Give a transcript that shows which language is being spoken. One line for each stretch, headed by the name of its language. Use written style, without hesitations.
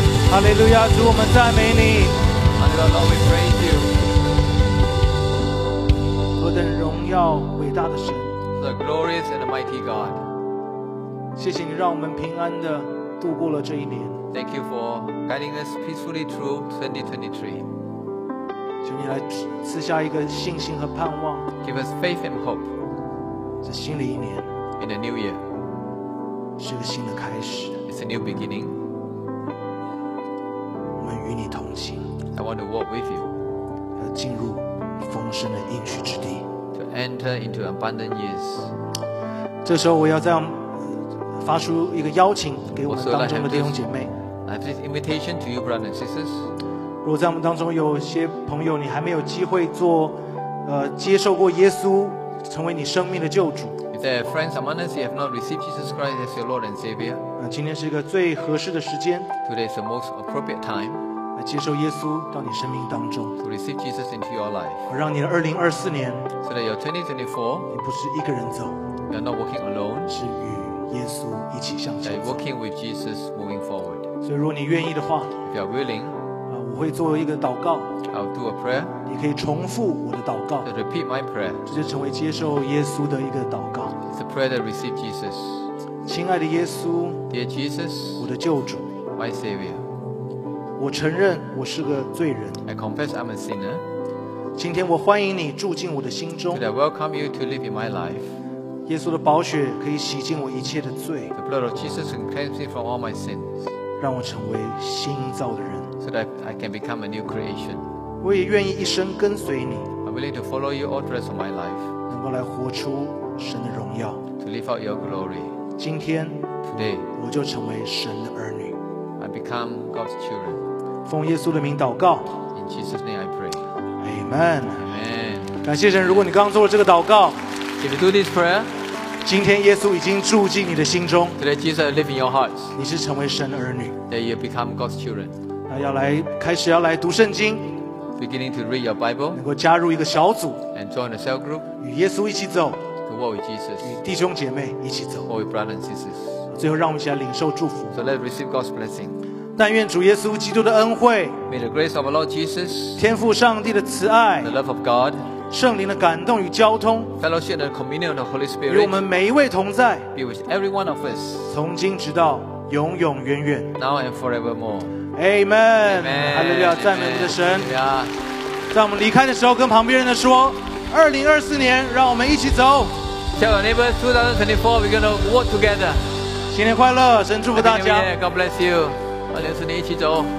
Chinese: Hallelujah, 主我们赞美你。
English: Hallelujah, we praise you.
Chinese: 何等荣耀伟大的神。
English: The glorious and the mighty God.
Chinese: 谢谢你让我们平安地度过了这一年。
English: Thank you for guiding us peacefully through 2023.
Chinese: 求你来赐下一个信心和盼望。
English: Give us faith and hope.
Chinese: 这新的一年。
English: In a new year.
Chinese: 是个新的开始。
English: It's a new beginning.
Chinese: 我们与你同行。
English: I want to walk with you.
Chinese: 要进入丰盛的应许之地。
English: Enter into abundant years.
Chinese: 这时候我要再发出一个邀请给我们当中的弟兄姐妹。
English: I have this invitation to you, brothers and sisters.
Chinese: 如果在我们当中有些朋友，你还没有机会做，接受过耶稣成为你生命的救主。
English: If there are friends among us who have not received Jesus Christ as your Lord and Savior.
Chinese: 今天是一个最合适的时间。
English: Today is the most appropriate time.
Chinese: 接受耶稣到你生命当中
English: to receive Jesus into your life
Chinese: 让你的2024年
English: so that your 2024
Chinese: 你不是一个人走
English: you are not walking alone
Chinese: 是与耶稣一起向前走
English: you are walking with Jesus moving forward
Chinese: 所以如果你愿意的话
English: if you are willing
Chinese: 我会做一个祷告
English: I'll do a prayer
Chinese: 你可以重复我的祷告
English: to repeat my prayer
Chinese: 这就成为接受耶稣的一个祷告
English: it's a prayer that receive Jesus
Chinese: 亲爱的耶稣
English: dear Jesus
Chinese: 我的救主
English: my Savior
Chinese: 我承认我是个罪人。
English: I confess I'm a sinner.
Chinese: 今天我欢迎你住进我的心中。
English: Today I welcome you to live in my life.
Chinese: 耶稣的宝血可以洗净我一切的罪。
English: The blood of Jesus can cleanse me from all my sins.
Chinese: 让我成为新造的人。
English: So that I can become a new creation.
Chinese: 我也愿意一生跟随你。
English: I'm willing to follow you all the rest of my life.
Chinese: 能够来活出神的荣耀。
English: To live out your glory.
Chinese: 今天
English: Today,
Chinese: 我就成为神的儿女。
English: I become God's children.
Chinese: 奉耶稣的名祷告
English: In Jesus' name I pray Amen Amen
Chinese: 感谢神如果你刚刚做了这个祷告
English: Did you do this prayer?
Chinese: 今天耶稣已经住进你的心中
English: Today Jesus live in your heart
Chinese: 你是成为神的儿女
English: That you become God's children
Chinese: 要来开始要来读圣经
English: Beginning to read your Bible
Chinese: 能够加入一个小组
English: And join a cell group
Chinese: 与耶稣一起走
English: To walk with Jesus
Chinese: 与弟兄姐妹一起走
English: Walk with brothers and sisters
Chinese: 最后让我们一起来领受祝福
English: So let's receive God's blessing
Chinese: 但愿主耶稣基督的恩惠
English: May the grace of our Lord Jesus
Chinese: 天父上帝的慈爱
English: The love of God
Chinese: 圣灵的感动与交通
English: Fellowship and communion of the Holy Spirit
Chinese: 与我们每一位同在
English: Be with every one of us
Chinese: 从今直到永永远远
English: Now and forevermore
Chinese: Amen Hallelujah 赞美我们的神在我们离开的时候跟旁边人的说2024年让我们一起走
English: Tell our neighbor 2024 we're going to walk together
Chinese: 新年快乐神祝福大家
English: God bless you
Chinese: 2024年一起走